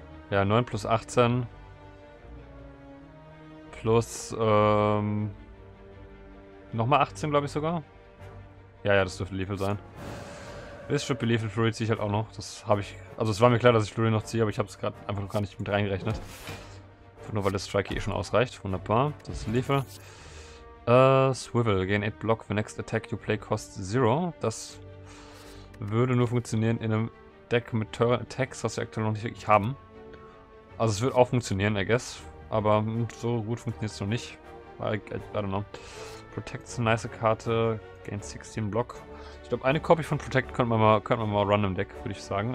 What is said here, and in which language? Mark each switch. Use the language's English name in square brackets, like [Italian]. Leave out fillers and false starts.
[German] Ja, 9 plus 18 plus nochmal 18, glaube ich sogar. Ja, das dürfte Lethal sein. Es [English] should be lethal, [German] Flurry ziehe ich halt auch noch. Das habe ich. Also, es war mir klar, dass ich Flurry noch ziehe, aber ich habe es gerade einfach noch gar nicht mit reingerechnet. Nur weil das Strike hier eh schon ausreicht. Wunderbar. Das ist Lethal. Swivel. [English] Gain 8 Block. The next attack you play costs 0. [German] Das würde nur funktionieren in einem Deck mit Turret Attacks, was wir aktuell noch nicht wirklich haben. Also, es wird auch funktionieren, [English] I guess. [German] Aber so gut funktioniert es noch nicht. [English] I don't know. [German] Protect ist eine nice Karte. [English] Gain 16 Block. [German] Ich glaube, eine Copy von Protect könnte man mal random Deck, würde ich sagen.